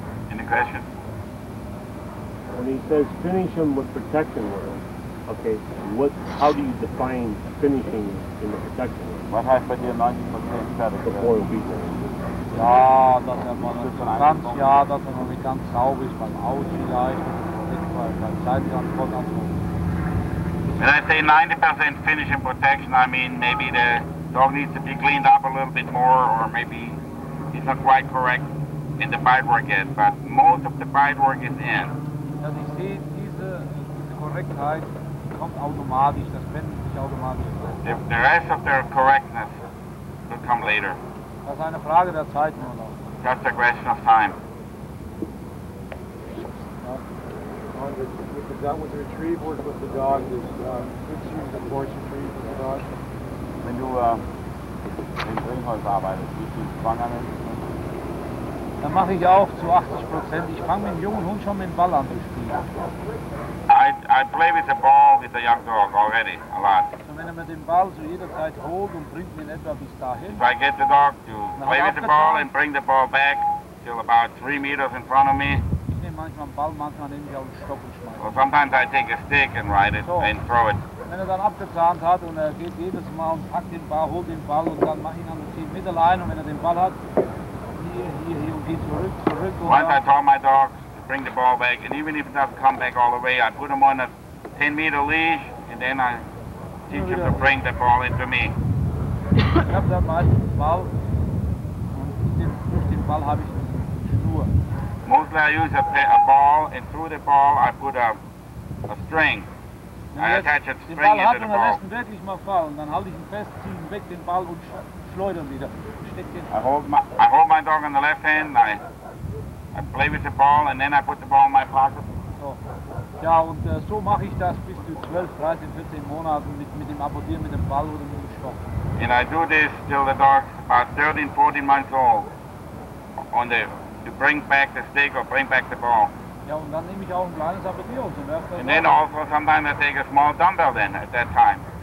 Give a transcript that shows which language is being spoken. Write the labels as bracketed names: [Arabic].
[English] Any questions? When he says finish him with protection work, okay, what? How do you define finishing in the protection work? What happened here, 90% better? Before obedience. [German] Ja, dass er mal ein ganz, ja, dass er noch nicht ganz sauber ist beim Aus vielleicht, beim Zeittransport und so. [English] When I say 90% finish and protection, I mean maybe the dog needs to be cleaned up a little bit more, or maybe he's not quite correct in the bite work yet, but most of the bite work is in. [German] Dass ich sehe, diese Korrektheit kommt automatisch, das wendet sich automatisch. [English] The rest of their correctness will come later. [German] Das ist eine Frage der Zeit nur noch. [English] Just a question of time. 100, because that was a retrieve work with the dog. This Fritz used a horse retrieve with the dog. When you in [German] Greenholz arbeitest, wie viel Zwang an Da mache ich auch zu 80%. Ich fange mit dem jungen Hund schon mit dem Ball an zu spielen. [English] I play with the ball with the young dog already, a lot. [German] So wenn er mir den Ball so jederzeit holt und bringt mir etwa bis dahin. [English] If I get the dog to play with the ball and bring the ball back till about 3 meters in front of me. [German] Ich nehme manchmal einen Ball, manchmal nehme ich auch einen Stock und schmeiße. [English] Well, sometimes I take a stick and ride it and throw it. [German] Wenn er dann abgezahnt hat und er geht jedes Mal und packt den Ball, holt den Ball und dann mache ich ihn an den 10 Meter Leine und wenn er den Ball hat, [English] Once I taught my dogs to bring the ball back, and even if it doesn't come back all the way, I put them on a 10-meter leash, and then I teach them to bring the ball into me. I have that much ball, and through the ball I have a schnur. Mostly I use a ball, and through the ball I put a string. I attach a string into the ball. [German] Den Ball hat man mal und dann halte ich ihn fest, ziehe ihn weg, den Ball und schleudern wieder. [English] I hold my dog on the left hand, I play with the ball, and then I put the ball in my pocket. [German] Ja, und so mache ich das bis zu 12, 13, 14 Monaten mit dem Abordieren, mit dem Ball oder mit dem Stock. [English] And I do this till the dog's about 13, 14 months old, to bring back the stick or bring back the ball. [German] Ja, und dann nehme ich auch ein kleines Abordieren. Und [English] then also sometimes I take a small dumbbell then, at that time.